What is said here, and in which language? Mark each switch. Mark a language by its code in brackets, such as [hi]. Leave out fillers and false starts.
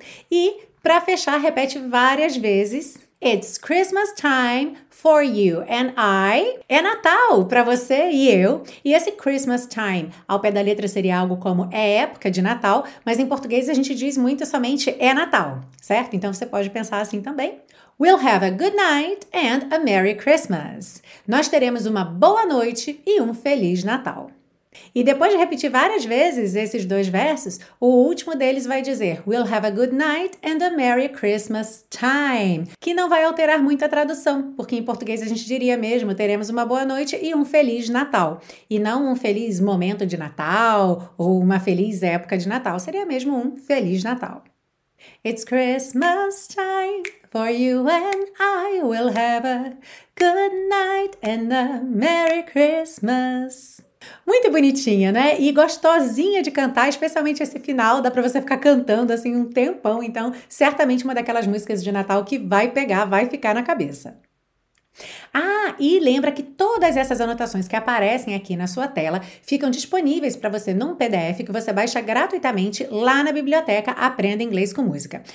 [pt] E, para fechar, repete várias vezes. [en] It's Christmas time for you and I. [pt] É Natal para você e eu. E esse Christmas time, ao pé da letra, seria algo como é época de Natal, mas em português a gente diz muito somente é Natal, certo? Então você pode pensar assim também. [en] We'll have a good night and a Merry Christmas. [pt] Nós teremos uma boa noite e um Feliz Natal. E depois de repetir várias vezes esses dois versos, o último deles vai dizer [en] We'll have a good night and a Merry Christmas time. [pt] Que não vai alterar muito a tradução, porque em português a gente diria mesmo teremos uma boa noite e um Feliz Natal. E não um feliz momento de Natal ou uma feliz época de Natal. Seria mesmo um Feliz Natal. [en] It's Christmas time for you and I will have a good night and a Merry Christmas. [pt] Muito bonitinha, né? E gostosinha de cantar, especialmente esse final. Dá pra você ficar cantando assim um tempão. Então, certamente uma daquelas músicas de Natal que vai pegar, vai ficar na cabeça. Ah, e lembra que todas essas anotações que aparecem aqui na sua tela ficam disponíveis para você num PDF que você baixa gratuitamente lá na biblioteca Aprenda Inglês com Música.